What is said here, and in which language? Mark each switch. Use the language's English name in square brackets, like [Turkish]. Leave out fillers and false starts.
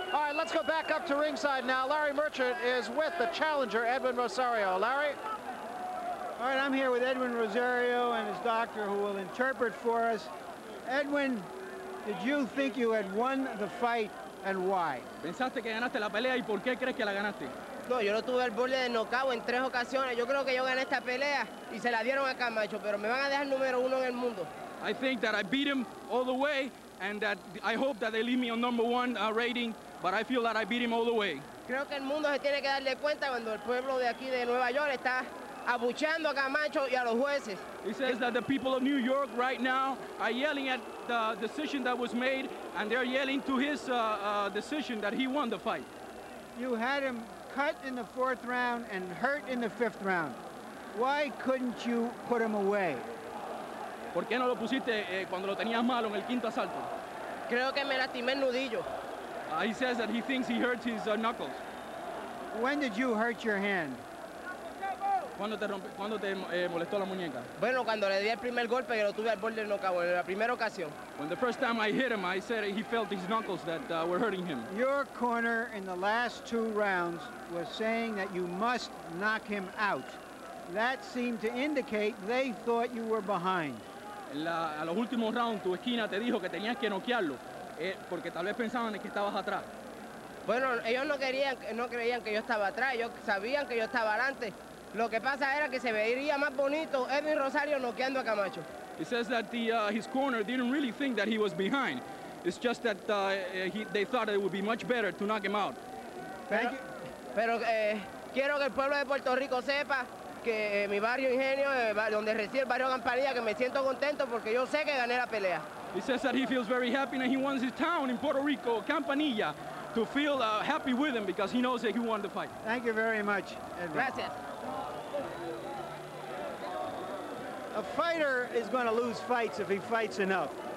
[English] All right, let's go back up to ringside now. Larry Merchant is with the challenger, Edwin Rosario. Larry? All right, I'm here with Edwin Rosario and his doctor, who will interpret for us. Edwin, did you think you had won the fight, and why? [Spanish] ¿Pensaste que ganaste la pelea y por qué crees que la ganaste? No, yo no tuve el borde de nocao en tres ocasiones. Yo creo que yo gané esta pelea y se la dieron a Camacho, pero me van a dejar número uno en el mundo. [English] I think that I beat him all the way, and that I hope that they leave me on number one rating, but I feel that I beat him all the way. [Spanish] Creo que el mundo se tiene que darle cuenta cuando el pueblo de aquí de Nueva York está abucheando a Camacho y a los jueces. [English] He says that the people of New York right now are yelling at the decision that was made, and they're yelling to his decision that he won the fight. You had him cut in the fourth round and hurt in the fifth round. Why couldn't you put him away? [Spanish] ¿Por qué no lo pusiste cuando lo tenías malo en el quinto asalto? Creo que me lastimé el nudillo. [English] He says that he thinks he hurt his knuckles. When did you hurt your hand? [Spanish] ¿Cuándo te molestó la muñeca? Bueno, cuando le di el primer golpe, que lo tuve al borde del nocao, en la primera ocasión. [English] When the first time I hit him, I said he felt his knuckles that were hurting him. Your corner in the last two rounds was saying that you must knock him out. That seemed to indicate they thought you were behind. [Spanish] A los últimos rounds, tu esquina te dijo que tenías que noquearlo, porque tal vez pensaban que estabas atrás. Bueno, ellos no creían que yo estaba atrás, ellos sabían que yo estaba adelante. Lo que pasa era que se vería más bonito Edwin Rosario noqueando a Camacho. [English] He says that his corner didn't really think that he was behind. It's just that they thought it would be much better to knock him out. Thank you. [Spanish] Pero quiero que el pueblo de Puerto Rico sepa que mi barrio Ingenio, donde reside el barrio Campanilla, que me siento contento porque yo sé que gané la pelea. [English] He says that he feels very happy and he wants his town in Puerto Rico, Campanilla, to feel happy with him because he knows that he won the fight. Thank you very much, Edwin. [Spanish] Gracias. [English] A fighter is going to lose fights if he fights enough.